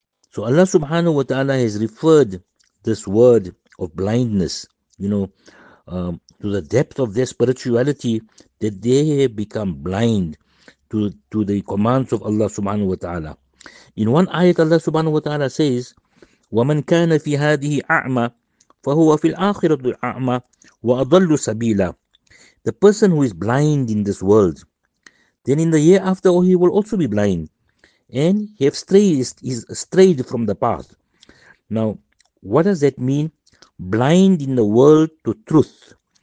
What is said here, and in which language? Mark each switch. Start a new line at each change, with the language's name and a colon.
English: So Allah subhanahu wa ta'ala has referred this word of blindness, you know, to the depth of their spirituality, that they have become blind to the commands of Allah subhanahu wa ta'ala.
Arabic: In one ayat, Allah subhanahu wa ta'ala says, وَمَنْ كَانَ فِي هَذِهِ أَعْمَى فَهُوَ فِي الْآخِرَةِ أَعْمَى وَأَضَلُّ سَبِيلًا.
English: The person who is blind in this world, then in the year after, oh, he will also be blind, and he have strayed, is strayed from the path. Now, what does that mean? Blind in the world to truth.